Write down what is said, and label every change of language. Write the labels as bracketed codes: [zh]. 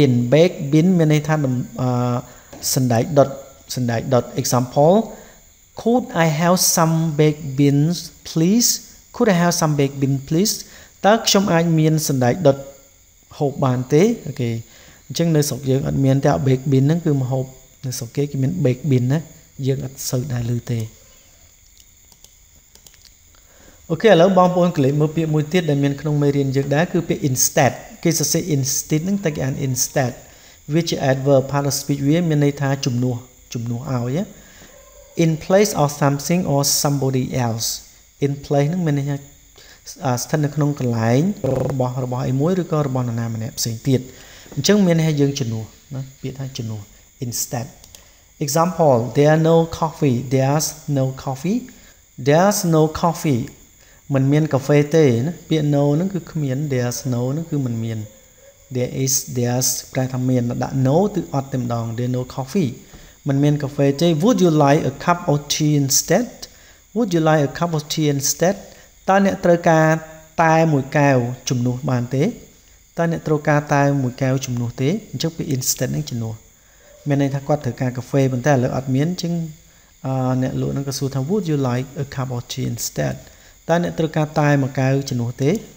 [km] bake bean មានន័យថាសណ្ដែកដុតសណ្ដែកដុត [en] example could I have some baked beans please could I have some baked beans please [km] តើខ្ញុំអាចមានសណ្ដែកដុត ហូបបានទេអូខេ អញ្ចឹងនៅស្រុកយើងអត់មានតែ baked bean ហ្នឹងគឺមកហូបនៅស្រុកគេគេមាន baked bean ណាយើងអត់សូវដែរឮទេ โอเคឥឡូវបងប្អូនគលេមើលពាក្យមួយទៀតដែលមានក្នុងមេរៀនយើងដែរគឺពាក្យ instead គេសរសេរ instead ហ្នឹងតែគេអាន instead វាជា [en] adverb part of speech [km] វាមានន័យថាជំនួស [en] ឲ្យ in place of something or somebody else [km] in place ហ្នឹងមានន័យថាស្ថិតនៅក្នុងកន្លែង របស់អីមួយឬក៏របស់នរណាម្នាក់ផ្សេងទៀត អញ្ចឹងមានន័យថាយើងជំនួសណាពាក្យថាជំនួស [en] instead example there's no coffee [km] មិនមានកាហ្វេទេណាពាក្យ no ហ្នឹងគឺគ្មាន [en] there's no [km] ហ្នឹងគឺមិនមាន there's ប្រែថាមានដាក់ no គឺអត់តែម្ដង [en] there's no coffee [km] មិនមានកាហ្វេទេ [en] would you like a cup of tea instead would you like a cup of tea instead [km] តើអ្នកត្រូវការតែមួយកែវជំនួសបានទេ តើអ្នកត្រូវការតែមួយកែវជំនួសទេអញ្ចឹងពាក្យ instead ហ្នឹងជំនួស មានន័យថាគាត់ត្រូវការកាហ្វេប៉ុន្តែឥឡូវអត់មានអញ្ចឹង អ្នកលក់ហ្នឹងក៏សួរថា [en] would you like a cup of tea instead [km] តើអ្នកត្រូវការតែមកកៅជំនួសទេ